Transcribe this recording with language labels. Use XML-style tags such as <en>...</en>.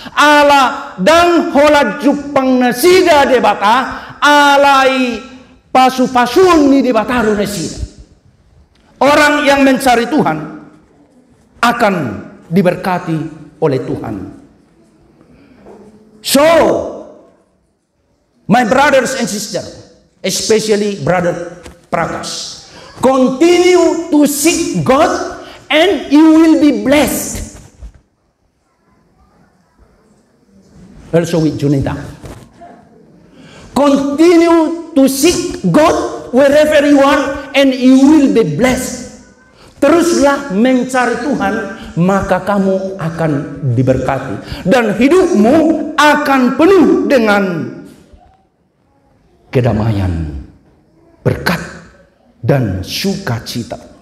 <bbc>ala dan hola jupang nasiga debata alai pasu-pasun ni debataru nasiga.</bbc> <id>Orang yang mencari Tuhan akan diberkati oleh Tuhan.</id> <en>So, my brothers and sisters, especially brother Prakas, continue to seek God and you will be blessed. Also with Junita. Continue to seek God wherever you are and you will be blessed.</en> <id>Teruslah mencari Tuhan, maka kamu akan diberkati. Dan hidupmu akan penuh dengan kedamaian, berkat, dan sukacita.</id>